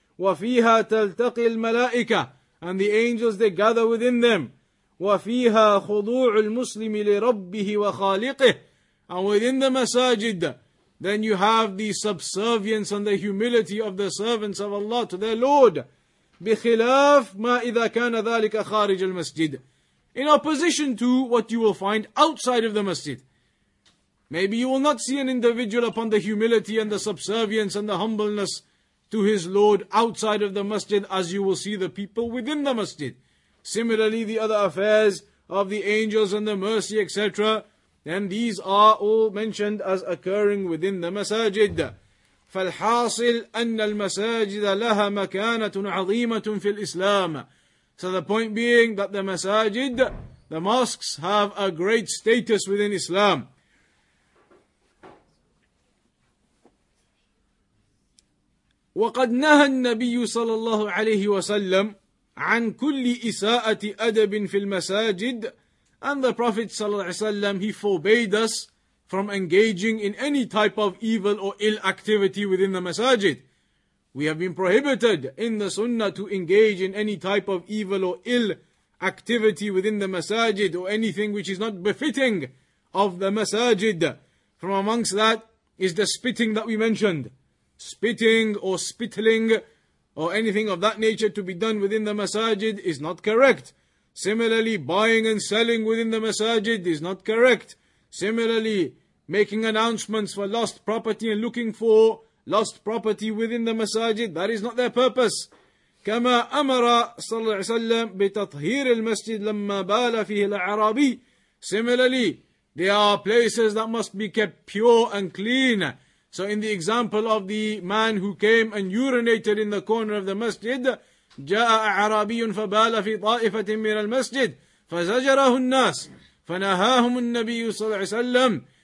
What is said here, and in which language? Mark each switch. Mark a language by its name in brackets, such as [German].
[Arabic] وَفِيهَا تَلْتَقِي الْمَلَائِكَةِ. [English] And the angels, they gather within them. [Arabic] وَفِيهَا خُضُوعُ الْمُسْلِمِ لِرَبِّهِ وَخَالِقِهِ. [English] And within the masajid, then you have the subservience and the humility of the servants of Allah to their Lord. [Arabic] بخلاف ما إذا كان ذلك خارج المسجد. [English] In opposition to what you will find outside of the masjid. Maybe you will not see an individual upon the humility and the subservience and the humbleness to his Lord outside of the masjid as you will see the people within the masjid. Similarly, the other affairs of the angels and the mercy, etc., then these are all mentioned as occurring within the masajid. [Arabic] فالحاصل أن المساجد لها مكانة عظيمة في الإسلام. [English] So the point being that the masajid, the mosques, have a great status within Islam. [Arabic] وقد نهى النبي صلى الله عليه وسلم عن كل إساءة أدب في المساجد. [English] And the Prophet صلى الله عليه وسلم, he forbade us from engaging in any type of evil or ill activity within the masajid. We have been prohibited in the sunnah to engage in any type of evil or ill activity within the masajid or anything which is not befitting of the masajid. From amongst that is the spitting that we mentioned. Spitting or spittling or anything of that nature to be done within the masajid is not correct. Similarly, buying and selling within the masajid is not correct. Similarly, making announcements for lost property and looking for lost property within the masajid, that is not their purpose. [Arabic] كما أمر صلى الله عليه وسلم بتطهير المسجد لما بال فيه العربي. [English] Similarly, there are places that must be kept pure and clean. So in the example of the man who came and urinated in the corner of the masjid, [Arabic] جاء عربي فبال في طائفة من المسجد فزجره الناس فنهاهم النبي صلى الله عليه وسلم.